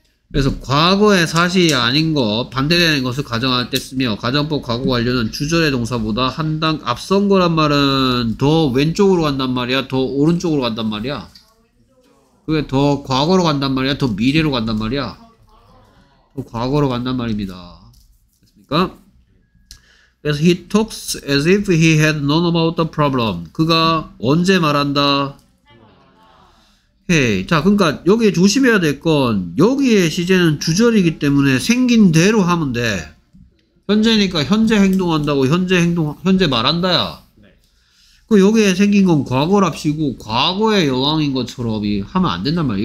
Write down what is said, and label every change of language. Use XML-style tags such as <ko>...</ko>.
<ko>그래서 과거의 사실이 아닌 거 반대되는 것을 가정할 때 쓰며 가정법 과거 완료는 주절의 동사보다 한 단 앞선 거란 말은 더 왼쪽으로 간단 말이야? 더 오른쪽으로 간단 말이야? 그게 더 과거로 간단 말이야? 더 미래로 간단 말이야? 더 과거로 간단 말입니다. 됐습니까? 그래서</ko> <en>he talks as if he had known about the problem.</en> <ko>그가 언제 말한다? 오케이. 자, 그러니까 여기에 조심해야 될 건 여기에 시제는 주절이기 때문에 생긴 대로 하면 돼. 현재니까 현재 행동한다고 현재 행동 현재 말한다야. 네. 그 여기에 생긴 건 과거랍시고 과거의 여왕인 것처럼이 하면 안 된단 말이야.</ko>